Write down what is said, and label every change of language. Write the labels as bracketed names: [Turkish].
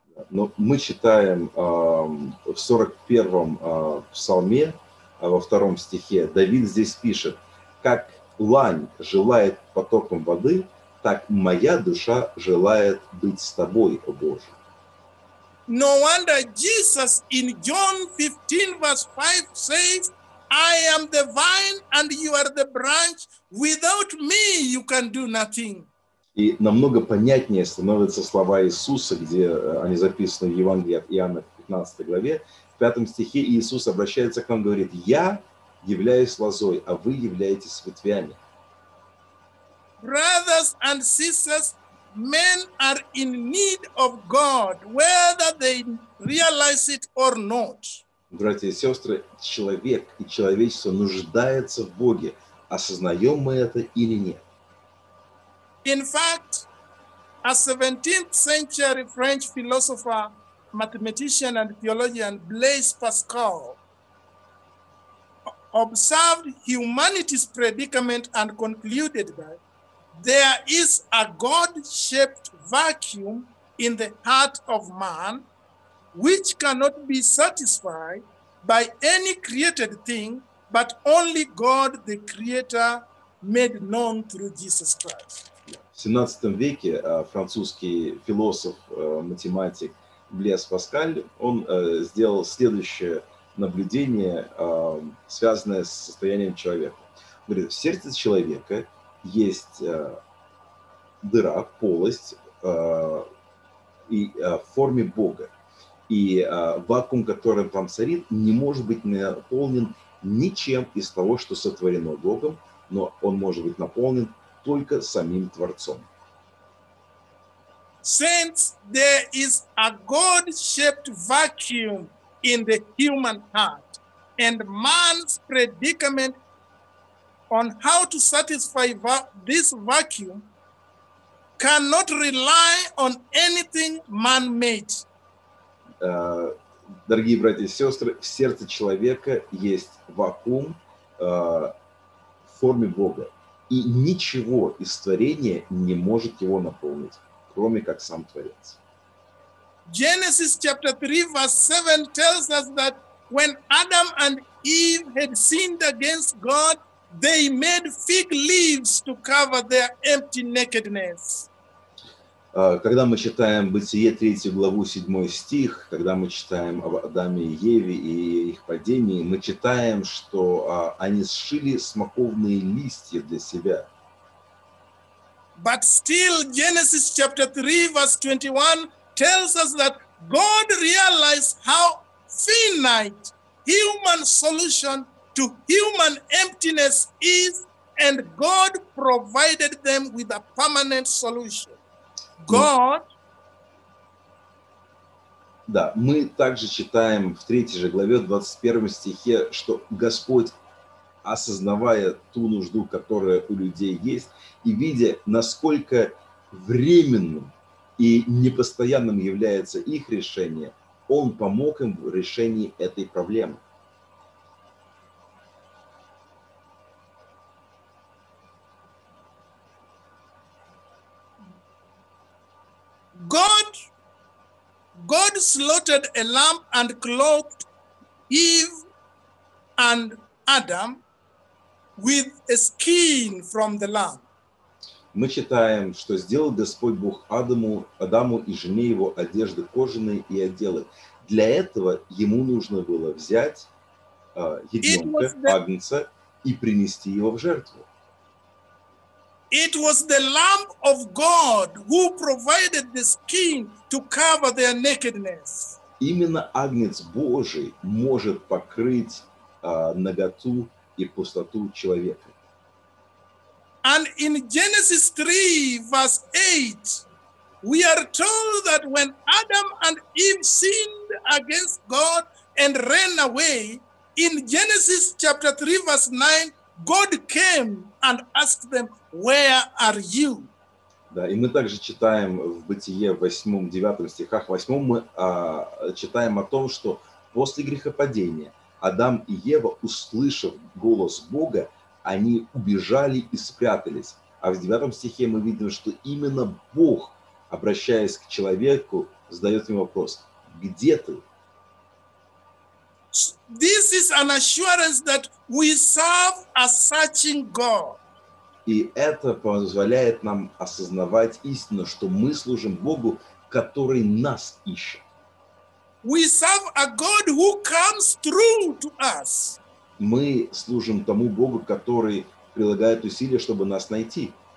[Russian] Но мы читаем в 41-м псалме, во втором стихе, Давид здесь пишет, как лань желает потоком воды, так моя душа желает быть с тобой, о Боже. [English] No wonder Jesus in John 15 verse 5 says, I am the vine and you are the branch. Without me you can do nothing. [Russian] И намного понятнее становятся слова Иисуса, где они записаны в Евангелии от Иоанна в 15 главе. В 5 стихе Иисус обращается к вам и говорит, я являюсь лозой, а вы являетесь ветвями. [English] Brothers and sisters, men are in need of God, whether they realize it or not. [Russian] Братья и сестры, человек и человечество нуждается в Боге. Осознаем мы это или нет? [English] In fact, a 17th century French philosopher, mathematician and theologian Blaise Pascal observed humanity's predicament and concluded that there is a God-shaped vacuum in the heart of man which cannot be satisfied by any created thing, but only God the Creator made known through Jesus Christ. [Russian] В 17 веке французский философ, математик Блез Паскаль, он сделал следующее наблюдение, связанное с состоянием человека. Он говорит, в сердце человека есть дыра, полость, и в форме Бога. И вакуум, который там царит, не может быть наполнен ничем из того, что сотворено Богом, но он может быть наполнен только самим Творцом. [English] Since there is a God-shaped vacuum in the human heart, and man's predicament on how to satisfy this vacuum cannot rely on anything man-made. [Russian] Дорогие братья и сестры, в сердце человека есть вакуум в форме Бога, и ничего из творения не может его наполнить, кроме как сам Творец. [English] Genesis chapter 3 verse 7 tells us that when Adam and Eve had sinned against God, they made fig leaves to cover their empty nakedness. [Russian] Когда мы читаем Бытие 3 главу 7 стих, когда мы читаем об Адаме и Еве и их падении, мы читаем, что они сшили смоковные листья для себя. [English] But still Genesis chapter 3 verse 21 tells us that God realized how finite human solution to human emptiness is, and God provided them with a permanent solution. God. [Russian] Да, мы также читаем в 3 же главе, 21 стихе, что Господь, осознавая ту нужду, которая у людей есть, и видя, насколько временным и непостоянным является их решение, Он помог им в решении этой проблемы. [English] God slaughtered a lamb and clothed Eve and Adam with a skin from the lamb. [Russian] Мы читаем, что сделал Господь Бог Адаму и жене его одежды кожаные и одел их. Для этого ему нужно было взять ягненка, агнца, и принести его в жертву. [English] It was the Lamb of God who provided the skin to cover their nakedness. [Russian] Именно Агнец Божий может покрыть наготу и пустоту человека. [English] And in Genesis 3, verse 8, we are told that when Adam and Eve sinned against God and ran away, in Genesis chapter 3, verse 9, God came and asked them, "Where are you?" [Russian] Да, и мы также читаем в Бытие 8-9 стихах, 8 мы читаем о том, что после грехопадения Адам и Ева, услышав голос Бога, они убежали и спрятались. А в 9 стихе мы видим, что именно Бог, обращаясь к человеку, задает ему вопрос: "Где ты?" [English] This is an assurance that we serve a searching God. [Russian] И это позволяет нам осознавать истину, что мы служим Богу, который нас ищет. [English] We serve a God who comes through to us. [Russian] Мы служим тому Богу, который прилагает усилия, чтобы нас найти.